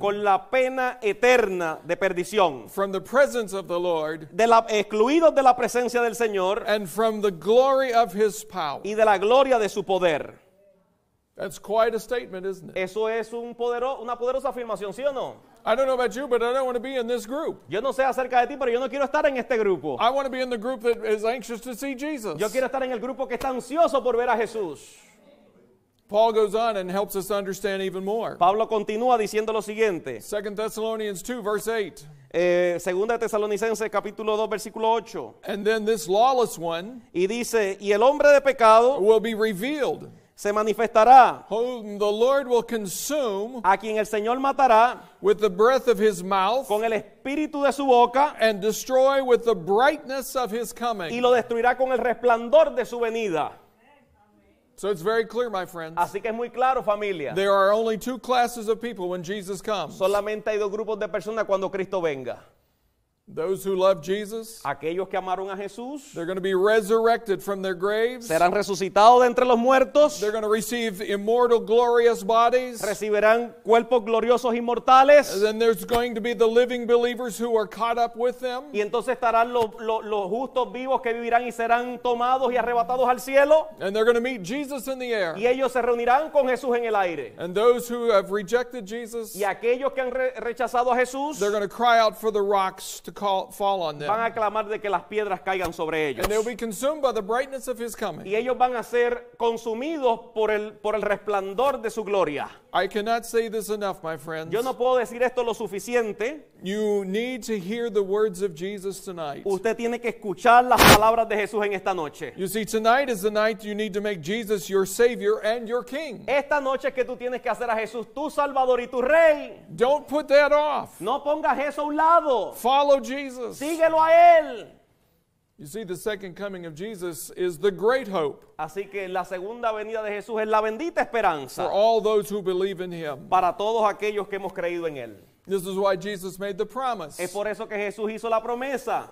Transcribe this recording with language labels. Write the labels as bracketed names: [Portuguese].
[Spanish] con la pena eterna de perdición, [English] from the presence of the Lord, [Spanish] de la, excluidos de la presencia del Señor, [English] and from the glory of his power, [Spanish] y de la gloria de su poder. [English] That's quite a statement, isn't it? [Spanish] Eso es una poderosa afirmación, ¿sí o no? [English] I don't know about you, but I don't want to be in this group. [Spanish] Yo no sé acerca de ti, pero yo no quiero estar en este grupo. [English] I want to be in the group that is anxious to see Jesus. [Spanish] Yo quiero estar en el grupo que está ansioso por ver a Jesús. [English] Paul goes on and helps us understand even more. [Spanish] Pablo continúa diciendo lo siguiente. [English] 2 Thessalonians 2, verse 8. [Spanish] Segunda de Tesalonicenses capítulo 2 versículo 8. [English] And then this lawless one, [Spanish] y dice, y el hombre de pecado, [English] will be revealed, [Spanish] se manifestará, [English] whom the Lord will consume, [Spanish] a quien el Señor matará, [English] with the breath of his mouth, [Spanish] con el espíritu de su boca, [English] and destroy with the brightness of his coming, [Spanish] y lo destruirá con el resplandor de su venida. [English] So it's very clear, my friends. [Spanish] Así que es muy claro, familia. [English] There are only two classes of people when Jesus comes. [Spanish] Solamente hay dos grupos de personas cuando Cristo venga. [English] Those who love Jesus, [Spanish] aquellos que amaron a Jesús, [English] they're going to be resurrected from their graves, [Spanish] serán resucitados de entre los muertos, [English] they're going to receive immortal glorious bodies, [Spanish] recibirán cuerpos gloriosos inmortales, [English] and then there's going to be the living believers who are caught up with them, [Spanish] y entonces estarán los justos vivos que vivirán y serán tomados y arrebatados al cielo, [English] and they're going to meet Jesus in the air, [Spanish] y ellos se reunirán con Jesús en el aire, [English] and those who have rejected Jesus, [Spanish] y aquellos que han rechazado a Jesús, [English] they're going to cry out for the rocks to fall on them. [Spanish] Van a clamar de que las piedras caigan sobre ellos. [English] And they'll be consumed by the brightness of his coming. [Spanish] Y ellos van a ser consumidos por el resplandor de su gloria. [English] I cannot say this enough, my friends. [Spanish] Yo no puedo decir esto lo suficiente. [English] You need to hear the words of Jesus tonight. [Spanish] Usted tiene que escuchar las palabras de Jesús en esta noche. [English] You see, tonight is the night you need to make Jesus your Savior and your King. [Spanish] Esta noche es que tú tienes que hacer a Jesús tu Salvador y tu Rey. [English] Don't put that off. [Spanish] No pongas eso a un lado. [English] Follow Jesus. [Spanish] Síguelo a Él. [English] You see, the second coming of Jesus is the great hope. [Spanish] Así que la segunda venida de Jesús es la bendita esperanza. [English] For all those who believe in Him. [Spanish] Para todos aquellos que hemos creído en Él. [English] This is why Jesus made the promise. [Spanish] Es por eso que Jesús hizo la promesa.